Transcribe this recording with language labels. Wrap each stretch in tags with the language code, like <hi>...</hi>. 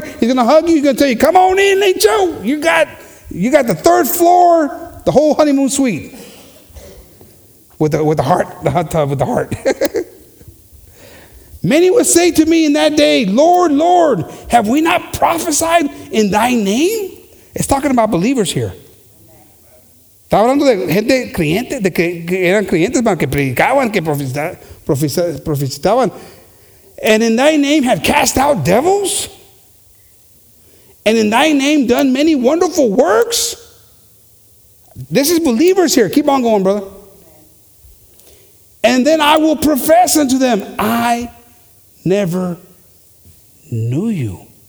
<en>He's going to hug you. He's going to tell you, come on in, Lecho. You got the third floor, the whole honeymoon suite. With the heart, the hot tub with the heart. Many would say to me in that day, Lord, Lord, have we not prophesied in thy name? It's talking about believers here.</en> <es>Está hablando de gente creyente, de que eran creyentes, que predicaban, que profetizaban.</es> <en>And in thy name have cast out devils? And in thy name done many wonderful works? This is believers here. Keep on going, brother. And then I will profess unto them, I never knew you.</en>